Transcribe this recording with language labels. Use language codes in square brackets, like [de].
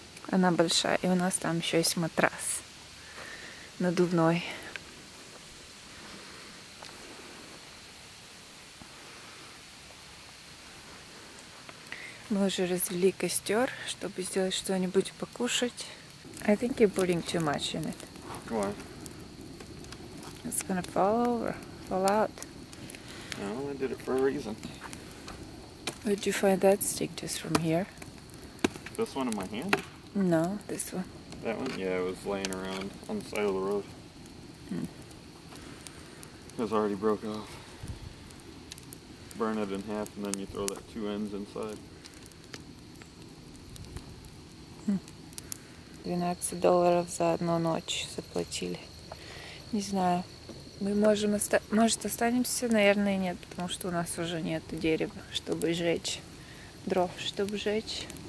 [ru] Она большая, и у нас там еще есть матрас надувной. Мы уже развели костер, чтобы сделать что-нибудь покушать. [en] I think you're putting too much in it. Why? It's gonna fall over, fall out. No, I did it for a reason. Where did you find that stick just from here? This one in my hand? No, this one. That one? Yeah, it was laying around on the side of the road. Hmm. It was already broke off. Burn it in half and then you throw that two ends inside. [ru] $12 за одну ночь заплатили. Не знаю, Мы можем может останемся, наверное, нет, потому что у нас уже нет дерева, чтобы жечь дров, чтобы жечь.